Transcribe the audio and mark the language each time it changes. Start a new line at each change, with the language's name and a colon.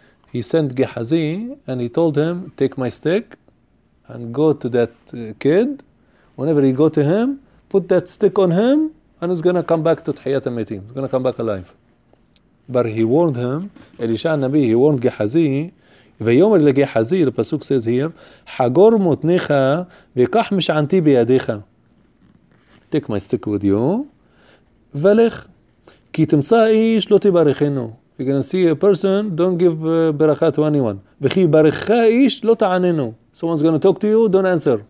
English: he sent Gehazi and he told him take my stick and go to that kid, whenever you go to him, put that stick on him, and he's going to come back to Tchiyat HaMetim. He's going to come back alive. But he warned him, Elisha al-Nabi, he warned Gehazi,
Hebrew: ויאמר לגחזי,
English: the Pasuk says here,
Hebrew: חגור מותניך ויקח משענתי בידיך.
English: Take my stick with you,
Hebrew: ולך, כי תמצא איש לא תברכנו.
English: You're going to see a person, don't give ברכה to anyone.
Hebrew: וכי ברכה איש לא תעננו.
English: Someone's going to talk to you, don't answer.